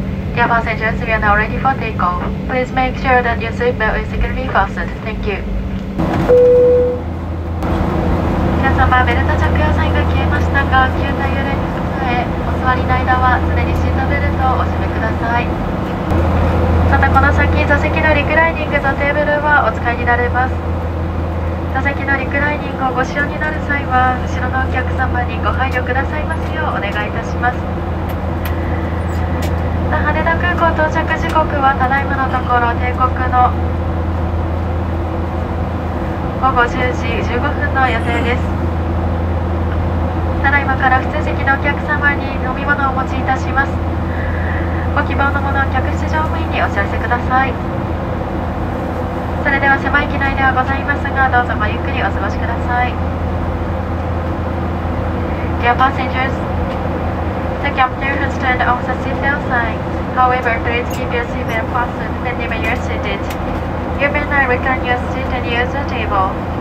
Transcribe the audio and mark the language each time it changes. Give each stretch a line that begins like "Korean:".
English: Dear passengers, we are now ready for takeoff. Please make sure that your seatbelt is securely fastened. Thank you.
Japanese: 皆様、ベルト着用サインが消えましたが、携帯揺れに備え、お座りの間は常にシートベルトをお締めください。またこの先、座席のリクライニングとテーブルはお使いになれます。座席のリクライニングをご使用になる際は、後ろのお客様にご配慮くださいますようお願いいたします。羽田空港到着時刻はただいまのところ定刻の午後10時15分の予定です。ただいまから普通席のお客様に飲み物をお持ちいたします。ご希望のものは客室乗務員にお知らせください。それでは狭い機内ではございますが、どうぞごゆっくりお過ごしください。
English: Dear passengers, the captain has turned off the seatbelt sign. However, please keep your seatbelt fastened whenever you're seated. You may not recline your seat and use the table.